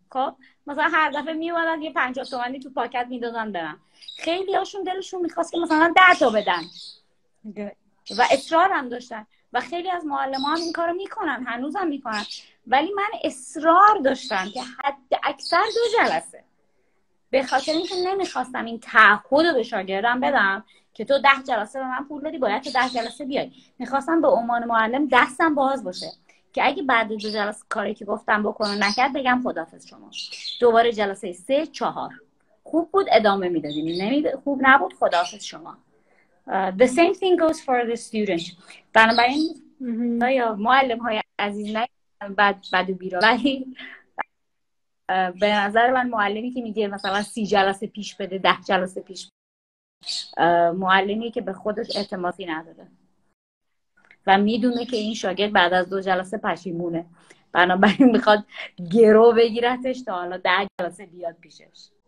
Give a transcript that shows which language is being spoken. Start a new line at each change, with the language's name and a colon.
Persian: خب مثلا هر دفعه میومدن یه 50 تومنی تو پاکت میدادن برن، خیلی هاشون دلشون میخواست که مثلا 10 تا بدن و اصرار هم داشتن و خیلی از معلم ها هم این کارو میکنن، هنوز هم میکنن، ولی من اصرار داشتم که حد اکثر 2 جلسه، به خاطر اینکه نمیخواستم این تعهد رو به شاگردم بدم که تو 10 جلسه به من پول دادی باید تو 10 جلسه بیای. میخواستم به عنوان معلم دستم باز باشه که اگه بعد 2 جلسه کاری که گفتم بکنه نکرد، بگم خدافظ شما، دوباره جلسه 3-4 خوب بود ادامه میدادیم، خوب نبود خدافظ شما.
English: The same thing goes for the students.
Persian: بنابراین معلم های عزیز نیستن بد و بیرا. ولی به نظر من معلمی که میگه مثلا 30 جلسه پیش بده 10 جلسه پیش بده. معلمی که به خودش اعتمادی نداره و میدونه که این شاگرد بعد از 2 جلسه پشیمونه، بنابراین میخواد گرو بگیرتش تا حالا 10 جلسه بیاد پیشش.